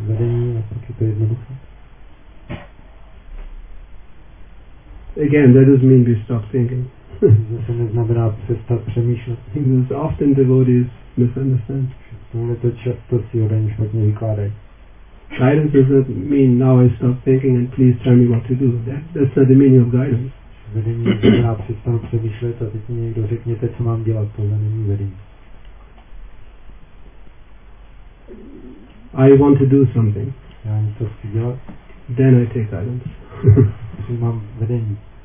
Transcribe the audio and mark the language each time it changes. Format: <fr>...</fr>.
<cs>vedení a pak je to jednoduché.</cs> <en>Again, that doesn't mean we stop thinking.</en> <cs>Zase neznamená přestat přemýšlet.</cs> <en>Because often devotees misunderstand.</en> <cs>Tohle to často si o daní špatně vykládají.</cs> <en>Guidance doesn't mean now I stop thinking and please tell me what to do. That's not the meaning of guidance.</en> <cs>Vedení znamená přestanu přemýšlet a teď mi někdo řekněte, co mám dělat, tohle není vedení.</cs> <en>I want to do something.</en> <cs>Já něco chci dělat.</cs> <en>Then I take guidance.</en> <cs>Přijímám vedení.</cs>